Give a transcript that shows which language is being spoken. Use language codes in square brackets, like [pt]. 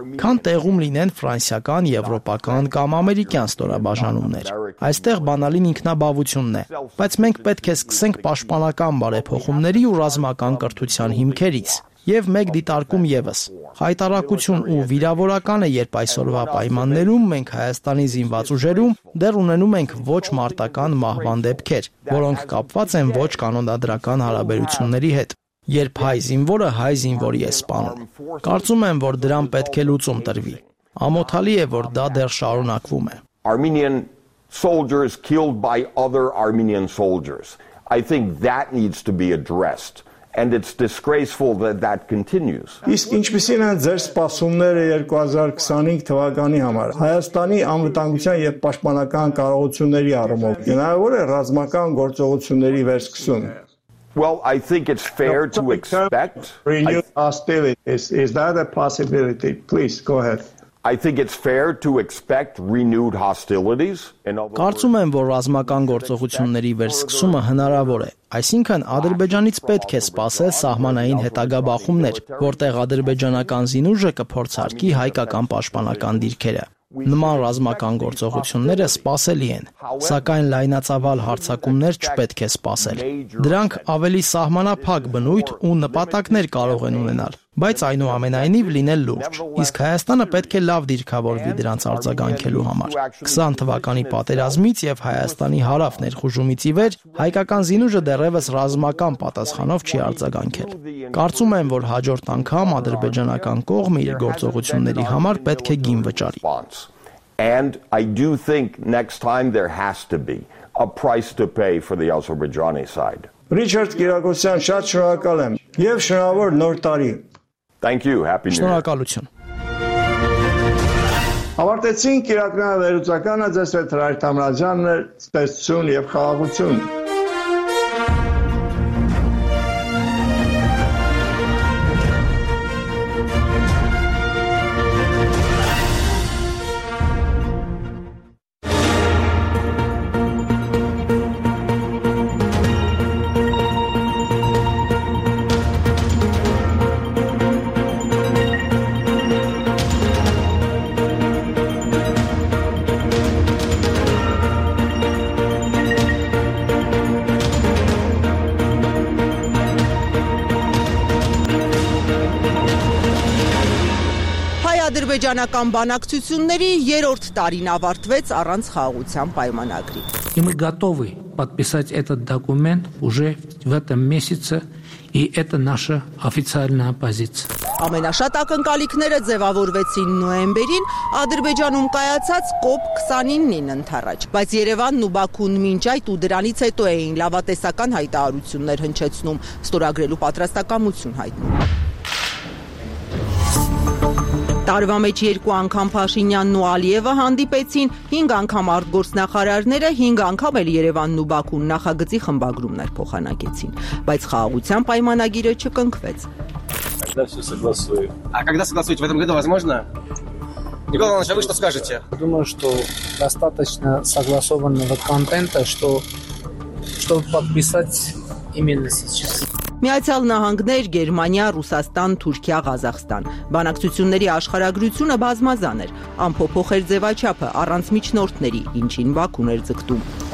[hy] քան տեղում լինեն ֆրանսիական, եվրոպական կամ ամերիկյան ստորաբաժանումներ։ Այստեղ բանալին ինքնաբավությունն է, բայց մենք պետք է սկսենք պաշտպանական բարեփոխումների ու ռազմական կրթության հիմքերից։ Եվ մեկ դիտարկում եւս։ Հայտարարություն ու վիրավորական է, երբ այսօրվա պայմաններում մենք Հայաստանի զինված ուժերում դեռ ունենում ենք ոչ մարտական մահվան դեպքեր, որոնք կապված են ոչ կանոնադրական հարաբերությունների հետ, երբ հայ զինվորը հայ զինվորի է սպանում։ Կարծում եմ, որ դրան պետք է լուծում տրվի։ Ամոթալի է, որ դա դեռ շարունակվում է։ [en] Armenian soldiers killed by other Armenian soldiers. I think that needs to be addressed. And it's disgraceful that that continues. [hy] Իսկ ինչպեսին են ձեր սպասումները 2025 թվականի համար Հայաստանի անվտանգության եւ պաշտպանական կարողությունների առումով։ Գնահատվոր է ռազմական գործողությունների վերսկսում։ [en] Well, I think it's fair to expect renewed hostilities. Is that a possibility? Please go ahead. I think it's fair to expect renewed hostilities. [hy] Կարծում եմ, որ ռազմական գործողությունների վերսկսումը հնարավոր է։ Այսինքն, Ադրբեջանից պետք է սպասել սահմանային հետագա բախումներ, որտեղ ադրբեջանական զինուժը կփորձարկի հայկական պաշտպանական դիրքերը։ Նման ռազմական գործողությունները սպասելի են, սակայն լայնածավալ հարձակումներ չպետք է սպասել։ Դրանք ավելի սահմանափակ բնույթ ու նպատակներ կարող են ունենալ, բայց այնուամենայնիվ լինել լուրջ։ Իսկ Հայաստանը պետք է լավ դիրքավորվի դրանց արձագանքելու համար։ 20 թվականի պատերազմից եւ Հայաստանի հարավ ներխուժումից ի վեր հայկական զինուժը դեռևս ռազմական պատասխանով չի արձագանքել։ Կարծում եմ, որ հաջորդ անգամ ադրբեջանական կողմը իր գործողությունների համար պետք է գին վճարի։ [en] And I do think next time there has to be a price to pay for the Azerbaijani side. [hy] Richard Kirakosyan, շատ շնորհակալ եմ եւ շնորհավոր նոր տարի։ [en] Thank you, happy new year. [hy] Շնորհակալություն։ Ավարտեցինք իրականը վերուցականը, ձեզ հետ Հրայր Թամրազյանն է, տեսություն և խաղաղություն։ Ադրբեջանական բանակցությունների 3-րդ տարին ավարտվեց առանց խաղաղության պայմանագրի։ [ru] Мы готовы подписать этот документ уже в этом месяце, и это наша официальная позиция. [hy] Ամենաշատ ակնկալիքները ձևավորվեցին նոեմբերին Ադրբեջանում կայացած COP29-ին ընթառաջ, բայց Երևանն ու Բաքուն մինչ այդ ու դրանից հետո էին լավատեսական հայտարարություններ հնչեցնում, ստորագրելու պատրաստակամություն հայտնում։ Տարվա մեջ երկու անգամ Փաշինյանն ու Ալիևը հանդիպեցին, 5 անգամ արտգործնախարարները, 5 անգամ էլ Երևանն ու Բաքուն նախագծի խմբագրումներ փոխանակեցին, բայց խաղաղության պայմանագիրը չկնքվեց։ [ru] Когда согласуете в этом году возможно? Николай Иванович, а вы что скажете? Думаю, что достаточно согласованного контента, чтобы подписать именно сейчас. [hy] Միացյալ Նահանգներ, Գերմանիա, Ռուսաստան, Թուրքիա, Ղազախստան։ Բանակցությունների աշխարհագրությունը բազմազան էր, ամփոփող էր ձևաչափը առանց միջնորդների, ինչին Բաքուն էր ձգտում։